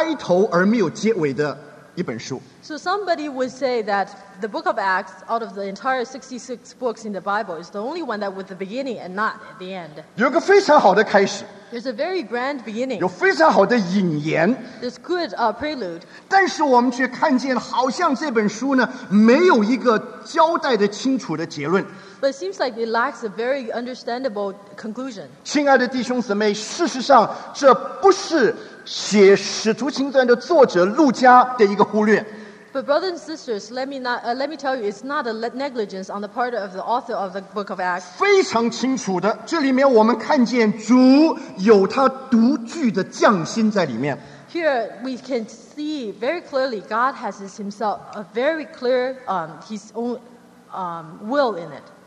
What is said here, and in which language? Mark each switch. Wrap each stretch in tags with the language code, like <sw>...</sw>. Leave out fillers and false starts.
<zh>所以有人说使徒行传是在圣经66卷里面唯一有开头而没有结尾的一本书。</zh> <en>So somebody would say that the book of Acts, out of the entire 66 books in the Bible, is the only one that with the beginning and not the end.</en> <zh>有个非常好的开始。</zh> <en>There's a very grand beginning.</en> <zh>有非常好的引言,</zh> <en>there's good prelude.</en> <zh>但是我们却看见好像这本书呢, 没有一个交代的清楚的结论。</zh> <en>But it seems like it lacks a very understandable conclusion.</en> <zh>亲爱的弟兄姊妹, 事实上, 这不是写使徒行传的作者路加的一个忽略。</zh> <en>But brothers and sisters, let me tell you, it's not a negligence on the part of the author of the book of Acts.</en> <zh>非常清楚的, 这里面我们看见主有他独具的匠心在里面。</zh> <en>Here we can see very clearly God has himself a very clear his own will in it.</en>